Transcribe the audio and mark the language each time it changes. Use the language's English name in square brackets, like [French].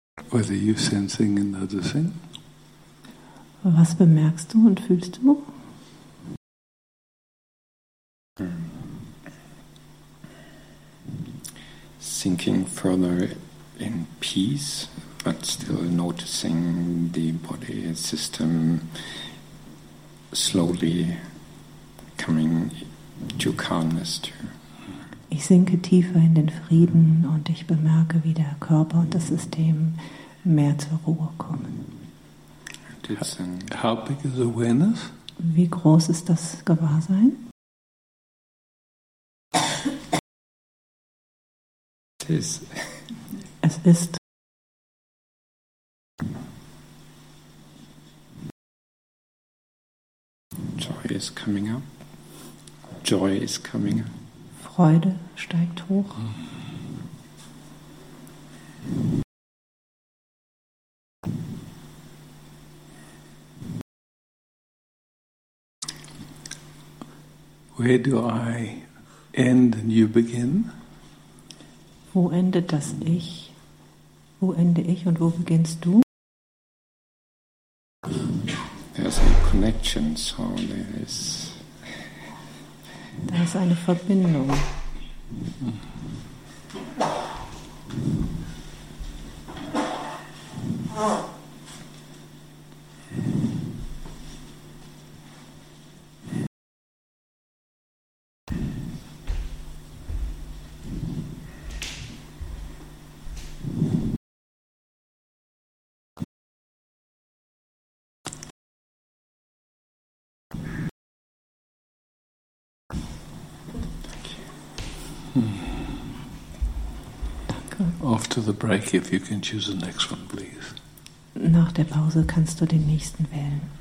[English] What are you sensing and noticing? [German] Was bemerkst du und fühlst du? [English] Sinking further in peace, but still noticing the body system slowly coming to calmness too. [German] Ich sinke tiefer in den Frieden und ich bemerke, wie der Körper und das System mehr zur Ruhe kommen. [English] How big is awareness? [German] Wie groß ist das Gewahrsein? [English] It is. [German] Es ist. [English] Joy is coming up. Joy is coming up. [German] Freude steigt hoch. Mm. [English] Where do I end and you begin? [German] Wo endet das Ich? Wo ende ich und wo beginnst du? [English] There's a connection, so there is. [German] Da ist eine Verbindung. [English] The break, if you can choose the next one, please. [German] Nach der Pause kannst du den nächsten wählen.